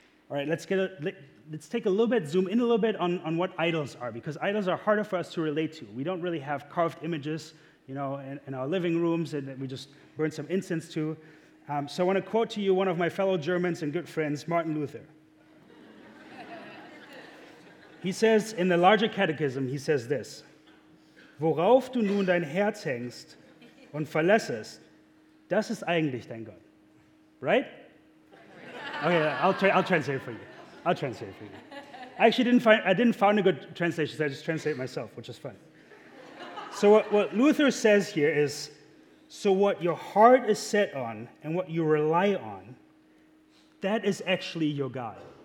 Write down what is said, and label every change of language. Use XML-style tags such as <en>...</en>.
<en>All right, let's take a little bit, zoom in a little bit on what idols are, because idols are harder for us to relate to. We don't really have carved images, you know, in our living rooms and that we just burn some incense to. So I want to quote to you one of my fellow Germans and good friends, Martin Luther. He says, in the Larger Catechism, he says this,</en> <de>worauf du nun dein Herz hängst und verlässest, das ist eigentlich dein Gott.</de> <en>Right? Okay, I'll translate for you. I actually didn't find a good translation, so I just translate myself, which is fine. So what Luther says here is, so what your heart is set on and what you rely on, that is actually your God.</en>